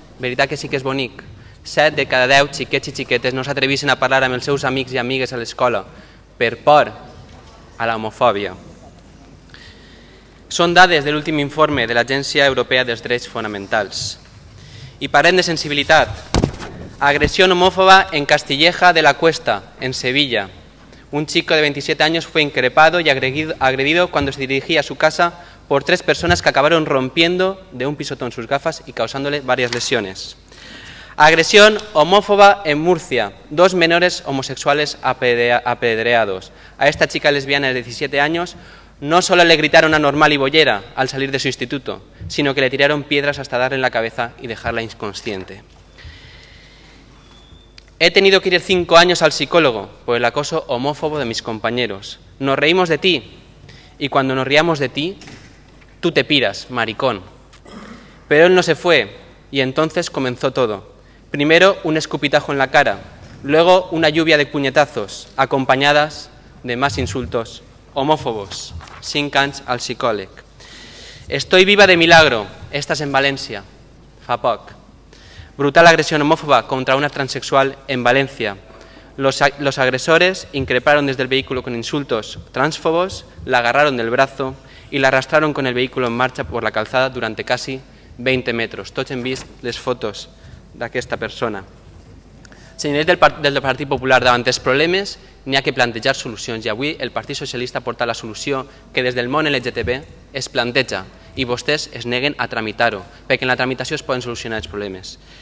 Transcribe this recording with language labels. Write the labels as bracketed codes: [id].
[ca] Veritat que sí que és bonic. 7 de cada 10 xiquets i xiquetes no s'atreveixen a parlar amb els seus amics i amigues a l'escola per por a l'homofòbia. Són dades de l'últim informe de l'Agència Europea dels Drets Fonamentals. I parlem de sensibilitat. Agressió homòfoba en Castilleja de la Cuesta, en Sevilla. [es] Un chico de 27 años fue increpado y agredido cuando se dirigía a su casa por 3 personas que acabaron rompiendo de un pisotón sus gafas y causándole varias lesiones. [ca] Agressió homòfoba en Murcia. [es] 2 menores homosexuales apedreados. A esta chica lesbiana de 17 años no solo le gritaron anormal y bollera al salir de su instituto, sino que le tiraron piedras hasta darle en la cabeza y dejarla inconsciente. He tenido que ir 5 años al psicólogo por el acoso homófobo de mis compañeros. Nos reímos de ti y cuando nos riamos de ti, tú te piras, maricón. Pero él no se fue y entonces comenzó todo. Primero un escupitajo en la cara, luego una lluvia de puñetazos acompañadas de más insultos homófobos. [ca] Sin cans al psicòleg. [es] Estoy viva de milagro, estás en València, [ca] fa poc. Brutal agressió homòfoba contra una transexual en València. [es] Los agresores increparon desde el vehículo con insultos transfobos, la agarraron del brazo y la arrastraron con el vehículo en marcha por la calzada durante casi 20 metros. [ca] Tots hem vist les fotos d'aquesta persona. Senyors del Partit Popular, davant dels problemes n'hi ha que plantejar solucions i avui el Partit Socialista porta la solució que des del món LGTB es planteja i vostès es neguen a tramitar-ho perquè en la tramitació es poden solucionar els problemes.